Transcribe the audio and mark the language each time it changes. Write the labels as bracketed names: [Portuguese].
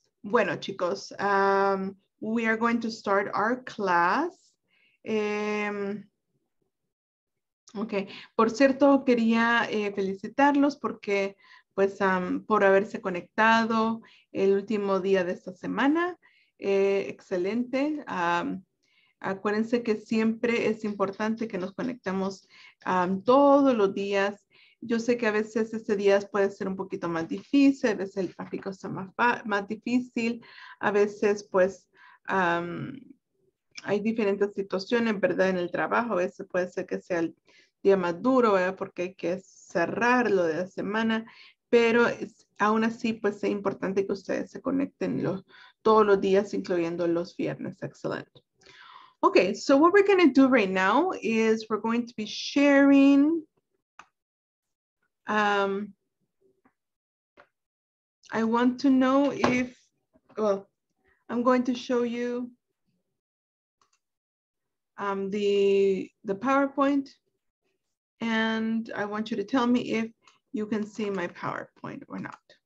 [Spanish] Bueno, chicos, [English] we are going to start our class. [Spanish] Okay, por cierto, quería felicitarlos porque, pues, por haberse conectado el último día de esta semana. Excelente. Acuérdense que siempre es importante que nos conectemos todos los días. Yo sé que a veces este día puede ser un poquito más difícil, a veces el tráfico está más difícil, a veces pues hay diferentes situaciones, ¿verdad? En el trabajo, a veces puede ser que sea el día más duro, ¿verdad? Porque hay que cerrar lo de la semana, pero aún así pues es importante que ustedes se conecten todos los días, incluyendo los viernes. Excelente. [English] Okay, so what we're going to do right now is we're going to be sharing I want to know if, well, I'm going to show you the PowerPoint, and I want you to tell me if you can see my PowerPoint or not.